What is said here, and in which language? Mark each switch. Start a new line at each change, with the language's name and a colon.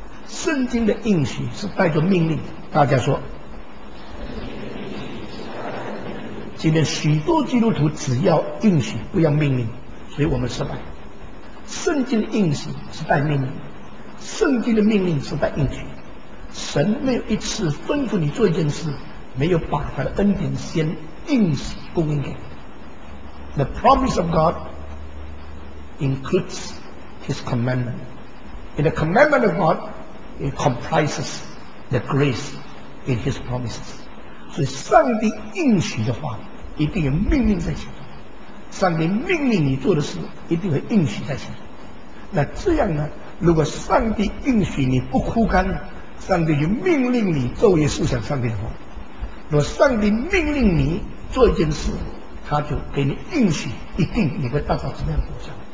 Chinese: 圣经的应许是带着命令，大家说，今天许多基督徒只要应许不要命令，所以我们失败。圣经的应许是带命令，圣经的命令是带应许。神没有一次吩咐你做一件事没有把他的恩典先应许供应给你。
English: The promise of God includes His commandment. In the commandment of God, it comprises the grace in His promises.
Chinese: 所以上帝应许的话一定有命令在前头，上帝命令你做的事一定会应许在前头。那这样呢，如果上帝应许你不枯干，上帝就命令你昼夜思想上帝的话。如果上帝命令你做一件事，他就给你应许，一定你会达到怎么样的果效。